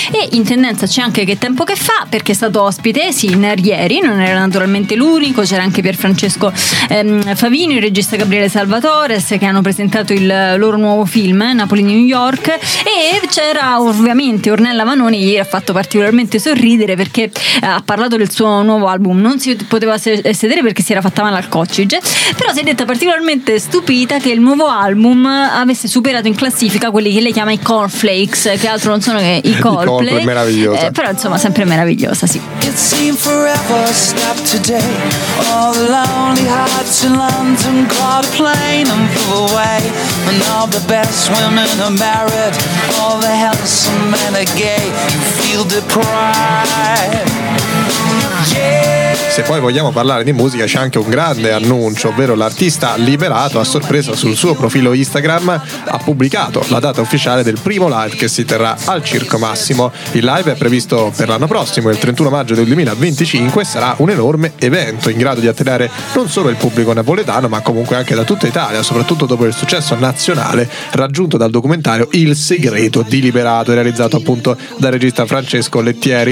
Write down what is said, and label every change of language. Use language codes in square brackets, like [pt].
[it] E in tendenza c'è anche Che tempo che fa, perché è stato ospite Sinner ieri, non era naturalmente l'unico, c'era anche Pierfrancesco Favino, il regista Gabriele Salvatores, che hanno presentato il loro nuovo film, Napoli New York, e c'era ovviamente Ornella Vanoni, ieri ha fatto particolarmente sorridere perché ha parlato del suo nuovo album, non si poteva sedere perché si era fatta male al coccige, però si è detta particolarmente stupita che il nuovo album avesse superato in classifica quelli che lei chiama i cornflakes, che altro non sono che i Coldplay, però insomma sempre meravigliosa, sì. [en] It seemed forever, stopped today. All the lonely hearts in London caught a plane and flew away. And all the best women are married. All the handsome men are gay. You feel deprived. Yeah. [it] Se poi vogliamo parlare di musica, c'è anche un grande annuncio, ovvero l'artista Liberato, a sorpresa sul suo profilo Instagram, ha pubblicato la data ufficiale del primo live che si terrà al Circo Massimo. Il live è previsto per l'anno prossimo, il 31 maggio del 2025, sarà un enorme evento in grado di attirare non solo il pubblico napoletano, ma comunque anche da tutta Italia, soprattutto dopo il successo nazionale raggiunto dal documentario Il Segreto di Liberato, realizzato appunto dal regista Francesco Lettieri.